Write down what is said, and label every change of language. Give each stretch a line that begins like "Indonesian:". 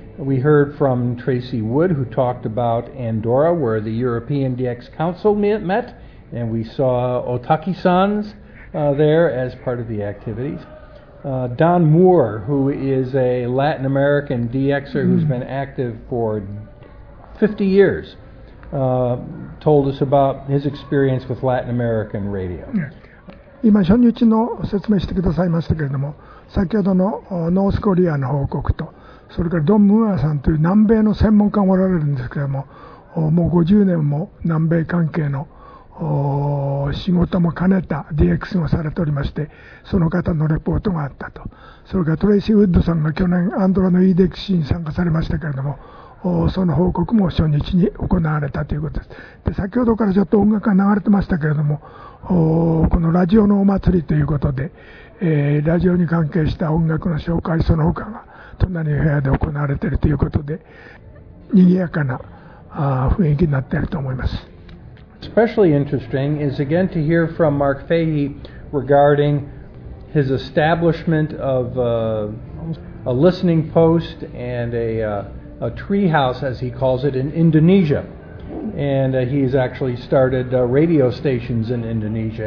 English: We heard from Tracy Wood, who talked about Andorra, where the European DX Council met, and we saw Otaki-san's there as part of the activities. Don Moore, who is a Latin American DXer who's been active for 50 years, told us about his experience with Latin American radio.
Japanese: 今初日の説明してくださいましたけれども、先ほどのノースコリアの報告と、それからドン・ムーアさんという南米の専門家がおられるんですけれども、もう50年も南米関係の仕事も兼ねた DX もされておりまして、その方のレポートがあったと。それからトレイシー・ウッドさんが去年アンドラの EDX に参加されましたけれども、その報告も初日に行われたということです。で、先ほどからちょっと音楽が流れてましたけれども、このラジオのお祭りということで、ラジオに関係した音楽の紹介その他が隣の部屋で行われているということで、賑やかな雰囲気になっていると思います。
English: Especially interesting is again to hear from Mark Fahey regarding his establishment of a listening post and a tree house, as he calls it, in Indonesia. And he has actually started radio stations in Indonesia.